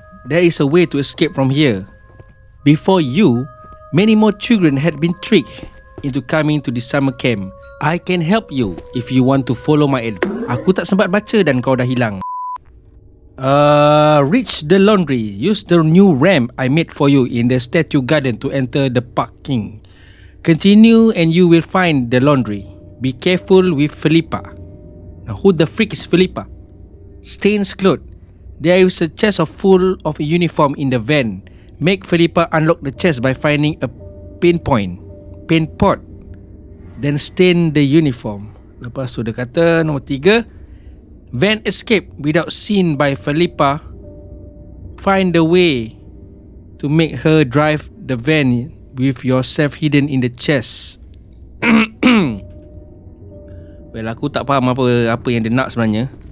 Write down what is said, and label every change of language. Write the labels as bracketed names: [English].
[English] There is a way to escape from here. Before you, many more children had been tricked into coming to the summer camp. I can help you if you want to follow my advice. [Malay] Aku tak sempat baca dan kau dah hilang. [English] Reach the laundry. Use the new ramp I made for you in the statue garden to enter the parking. Continue and you will find the laundry. Be careful with Philippa. Now, who the freak is Philippa? Stain's clothes. There is a chest full of uniform in the van. Make Philippa unlock the chest by finding a paint pot. Then stain the uniform. [Malay] Lepas tu dia kata nombor 3. [English] Van escape without seen by Philippa. Find a way to make her drive the van with yourself hidden in the chest. [Malay] Well, aku tak faham apa yang dia nak sebenarnya.